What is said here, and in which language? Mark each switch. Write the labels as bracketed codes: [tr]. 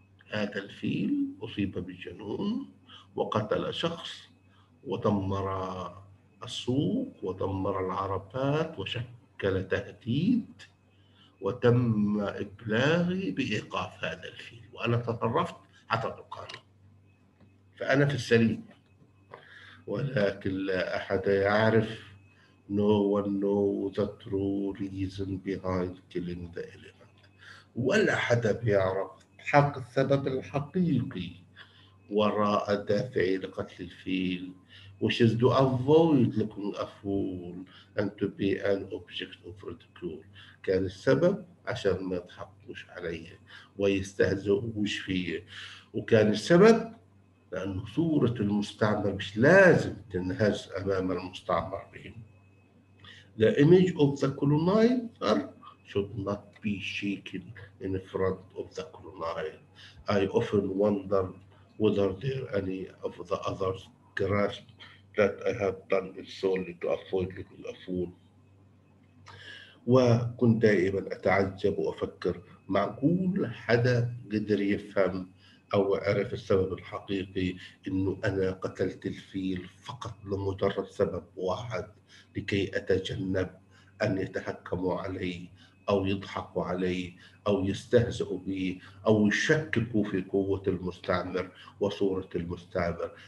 [ar] هذا الفيل أصيب بالجنون وقتل شخص ودمر السوق ودمر العربات وشكل تهديد، وتم إبلاغي بإيقاف هذا الفيل، وأنا تطرفت حتى القانون، فأنا في السليم. ولكن لا أحد يعرف. [en] No one knows the true reason behind killing the elephant. [ar] ولا حدا بيعرف حق السبب الحقيقي وراء الدافع لقتل الفيل. [en] Which is to avoid looking a fool and to be an object of ridicule. [ar] كان السبب عشان ما يضحكوش عليا ويستهزئوش فيه. وكان السبب لأن صورة المستعمر مش لازم تنهز أمام المستعمر بهم. [en] The image of the colonizer should not be shaken in front of the colonized. I often wonder whether there any of the others grasp that I have done it solely to avoid looking a fool. [ar] وكنت دائما أتعجب وأفكر معقول حدا قدر يفهم أو عرف السبب الحقيقي إنه أنا قتلت الفيل فقط لمجرد سبب واحد لكي أتجنب أن يتحكموا علي أو يضحكوا علي أو يستهزئوا بي أو يشككوا في قوة المستعمر وصورة المستعمر.